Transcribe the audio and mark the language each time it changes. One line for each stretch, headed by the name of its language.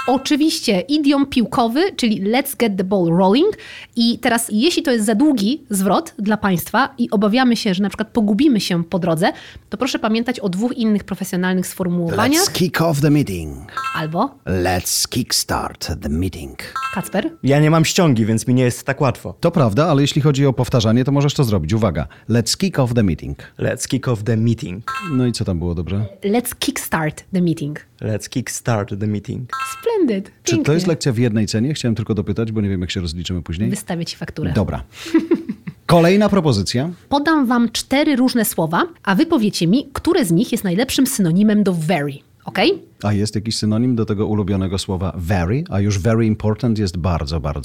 Polish: Oczywiście, idiom piłkowy, czyli
English: let's get the ball rolling.
Polish: I teraz, jeśli to jest za długi zwrot dla państwa i obawiamy się, że na przykład pogubimy się po drodze, to proszę pamiętać o dwóch innych profesjonalnych sformułowaniach.
English: Let's kick off the meeting.
Polish: Albo?
English: Let's kick start the meeting.
Polish: Kacper? Ja nie mam ściągi, więc mi nie jest tak łatwo. To prawda, ale jeśli chodzi o powtarzanie, to możesz to zrobić. Uwaga.
English: Let's kick off the meeting. Let's kick off the meeting.
Polish: No i co tam było dobrze?
English: Let's kick start the meeting. Let's kick start the meeting. Splendid.
Polish: Pięknie. Czy to jest lekcja w jednej cenie? Chciałem tylko dopytać, bo nie wiem, jak się rozliczymy później. Wystawię ci fakturę. Dobra. Kolejna propozycja. Podam wam cztery różne słowa, a wy powiecie mi, które z nich jest najlepszym synonimem do very, okej?
English: Okay?
Polish: A jest jakiś synonim do tego ulubionego słowa very? A już
English: very important
Polish: jest bardzo, bardzo